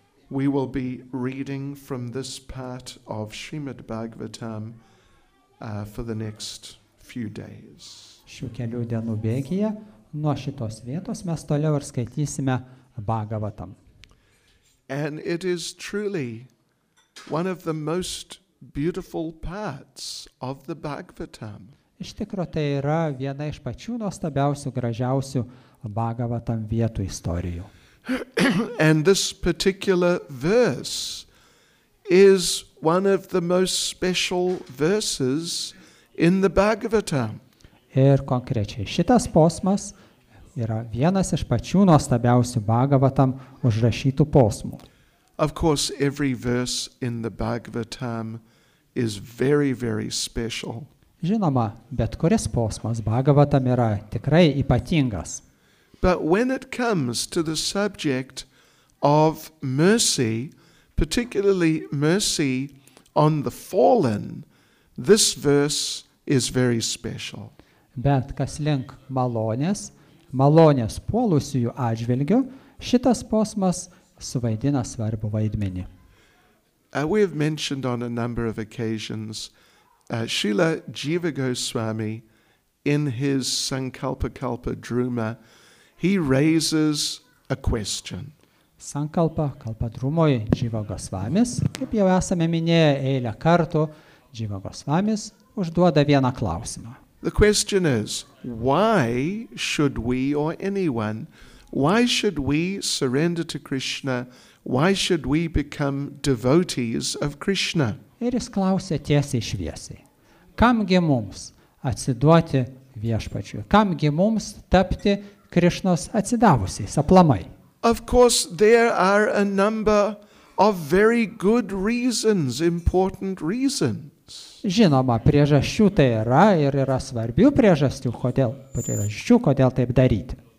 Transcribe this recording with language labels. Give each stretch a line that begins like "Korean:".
English: We will be reading from this part of Srimad Bhagavatam for the next few days.
Lithuanian: Šių kelių dienų bėgyje, nuo šitos vietos mes toliau ir skaitysime Bhagavatam.
English: And it is truly one of the most beautiful parts of the Bhagavatam.
Lithuanian: Iš tikro, tai yra viena iš pačių nuostabiausių, gražiausių Bhagavatam vietų istorijų.
English: And this particular verse is one of the most special verses in the Bhagavatam.
Lithuanian: Ir konkrečiai šitas posmas yra vienas iš pačių nuostabiausių Bhagavatam užrašytų posmų.
English: Of course, every verse in the Bhagavatam is very, very special.
Lithuanian: Žinoma, bet kuris posmas Bhagavatam yra tikrai ypatingas.
English: But when it comes to the subject of mercy, particularly mercy on the fallen, this verse is very special.
Lithuanian: Bet kas link malonės, malonės puolusiųjų atžvilgiu, šitas posmas suvaidina svarbų vaidmenį.
English: We have mentioned on a number of occasions Srila Jiva Goswami in his Sankalpa Kalpa Druma, he raises a question.
Lithuanian: Sankalpa Kalpa Drumoj Jiva Goswamis, kaip jau esame minėję eilę kartų, Jiva Goswamis užduoda vieną klausimą.
English: The question is, why should we or anyone, why should we surrender to Krishna? Why should we become devotees of Krishna?
Lithuanian: Ir jis klausia tiesiai šviesiai. Kamgi mums atsiduoti viešpačiui? Kamgi mums tapti Krišnos atsidavusiais aplamai?
English: Of course, there are a number of very good reasons, important reasons.
Lithuanian: Žinoma, priežasčių tai yra ir yra svarbių priežasčių, kodėl taip daryti.